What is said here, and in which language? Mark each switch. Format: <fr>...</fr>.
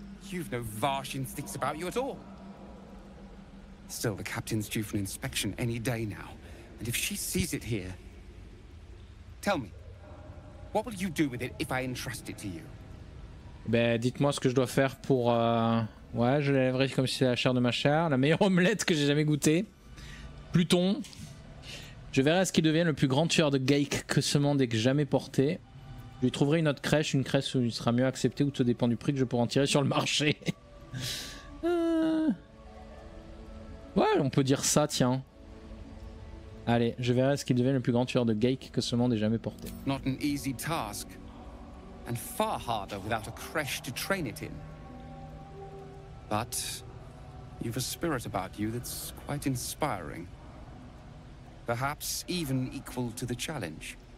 <en>You've no vash instincts about you at all. Still, the captain's due for an inspection any day now. And if she sees it here... Tell me, what will you do with it if I entrust it to you?</en> <fr>Ben, dites-moi ce que je dois faire pour... Ouais, je l'élèverai comme si c'était la chair de ma chair. La meilleure omelette que j'ai jamais goûtée. Pluton. Je verrai à ce qu'il devienne le plus grand tueur de geek que ce monde ait jamais porté. Je lui trouverai une autre crèche, une crèche où il sera mieux accepté, où tout dépend du prix que je pourrai en tirer sur le marché. Ouais, on peut dire ça, tiens. Allez, je verrai ce qu'il devient le plus grand tueur de geek que ce monde ait jamais porté.</fr> <en>Not an easy task, and far harder without a crèche to train it in. But you've a spirit about you that's quite inspiring. Perhaps even equal to the challenge.</en>